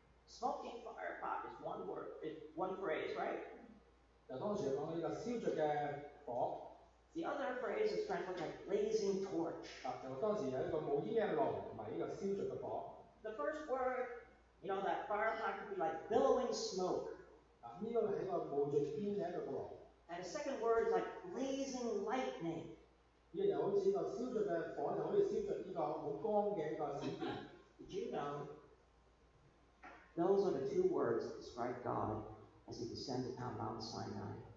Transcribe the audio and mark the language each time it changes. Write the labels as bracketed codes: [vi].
[en] Smoking fire pot is one word, it's one phrase, right? [yue] 就當時講呢個燒著嘅火。 [en] The other phrase is translated like blazing torch. [yue] 就當時有一個冒煙嘅爐同埋呢個燒著嘅火。 [en] The first word, you know, that fire pot could be like billowing smoke. [yue] 呢個係一個冒著煙嘅一個爐。 [en] And the second word is like blazing lightning. [yue] 呢個又好似個燒著嘅火，就好似燒著呢個好光嘅一個閃電。 [en] Did you know those are the two words that describe God as he descended upon Mount Sinai?